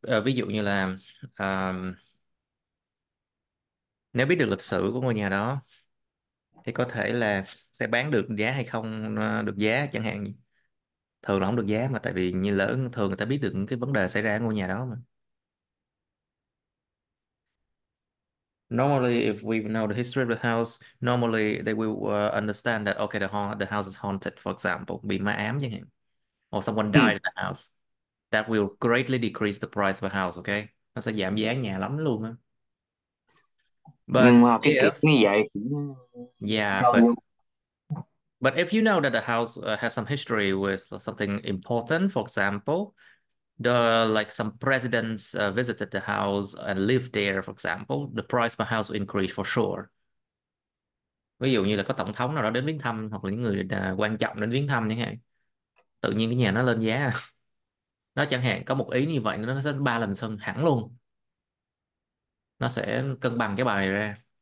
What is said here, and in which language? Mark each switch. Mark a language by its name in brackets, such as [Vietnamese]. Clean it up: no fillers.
[Vietnamese] Ví dụ như là nếu biết được lịch sử của ngôi nhà đó thì có thể là sẽ bán được giá hay không được giá chẳng hạn. Thường là không được giá mà, tại vì như lỡ thường người ta biết được cái vấn đề xảy ra ở ngôi nhà đó mà. [English] Normally, if we know the history of the house, normally they will understand that okay, the house is haunted, for example, [Vietnamese] bị ma ám chẳng hạn. [English] Or someone died in the house. That will greatly decrease the price of a house, okay? [Vietnamese] Nó sẽ giảm giá nhà lắm luôn á. [English] But [Vietnamese] Nhưng mà cái kiểu [English] if [Vietnamese] như vậy cũng [English] If you know that the house has some history with something important, for example, like some presidents visited the house and lived there, for example, the price of a house will increase for sure. [Vietnamese] Ví dụ như là có tổng thống nào đó đến viếng thăm hoặc là những người quan trọng đến viếng thăm chẳng hạn, tự nhiên cái nhà nó lên giá. Nó chẳng hạn có một ý như vậy nó sẽ ba lần sân hẳn luôn. Nó sẽ cân bằng cái bài này ra.